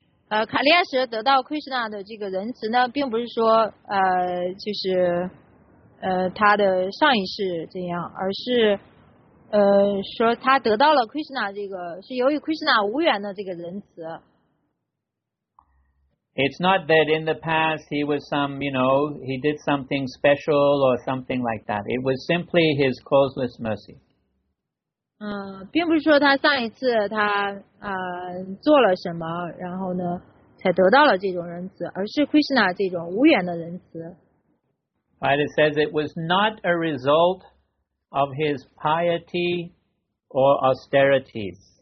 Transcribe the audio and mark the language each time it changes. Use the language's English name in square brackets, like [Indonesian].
[Chinese] Kaliya 时得到 Krishna 的这个仁慈呢，并不是说就是他的上一世这样，而是说他得到了 Krishna 这个是由于 Krishna 无缘的这个仁慈。 [English] It's not that in the past he was some, you know, he did something special or something like that. It was simply his causeless mercy. [Chinese] 并不是说他上一次他做了什么，然后呢才得到了这种仁慈，而是 Krishna 这种无缘的仁慈。 [English] But it says it was not a result of his piety or austerities.